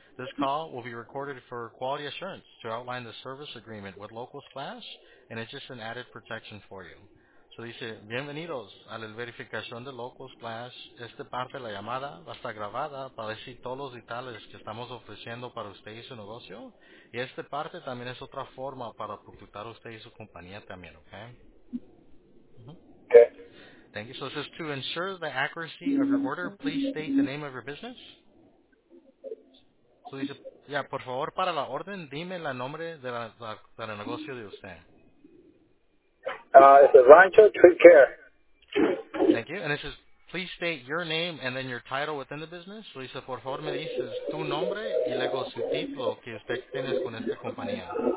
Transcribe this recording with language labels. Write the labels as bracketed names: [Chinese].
[English] This call will be recorded for quality assurance to outline the service agreement with Local Splash, and it's just an added protection for you. [Spanish] So he said, bienvenidos a la verificación de Local Splash. Esta parte de la llamada va a estar grabada para decir todos los detalles que estamos ofreciendo para usted y su negocio. Y esta parte también es otra forma para protegerá usted y su compañía también, ¿ok? [English] Thank you. So it says, to ensure the accuracy of your order, please state the name of your business. [Spanish] So dice, ya, por favor, para la orden, dime el nombre de del negocio de usted. [English] It's a Rancho Tree Care. Thank you. And it says, please state your name and then your title within the business. [Spanish] So dice, por favor, me dices tu nombre y luego su título que usted tiene con esta compañía.